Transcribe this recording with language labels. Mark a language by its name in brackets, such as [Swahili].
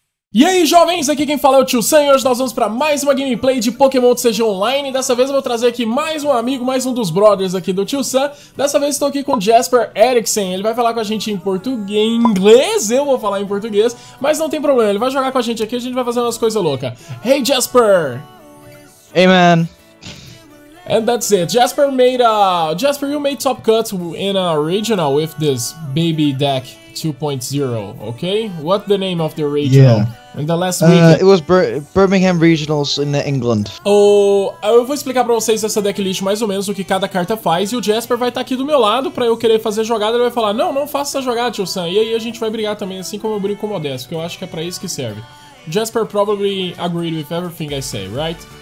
[Portuguese] E aí, jovens, aqui quem fala é o Tio Sam e hoje nós vamos pra mais uma gameplay de Pokémon TCG Online. Dessa vez eu vou trazer aqui mais um amigo, mais um dos brothers aqui do Tio Sam. Dessa vez estou aqui com o Jasper Eriksen. Ele vai falar com a gente em português, em inglês, eu vou falar em português, mas não tem problema, ele vai jogar com a gente aqui e a gente vai fazer umas coisas loucas. [English] Hey, Jasper! Hey, man! And that's it. Jasper, you made top cuts in a regional with this baby deck 2.0, okay? What the name of the regional? Yeah. In the last week? It was Birmingham Regionals in England. [Portuguese] Eu vou explicar pra vocês essa decklist mais ou menos o que cada carta faz, e o Jasper vai estar aqui do meu lado pra eu querer fazer jogada, ele vai falar, não, não faça essa jogada, Tio Sam, e aí a gente vai brigar também, assim como eu brinco com o Modesto, que eu acho que é pra isso que serve. [English] Jasper probably agreed with everything I say, right?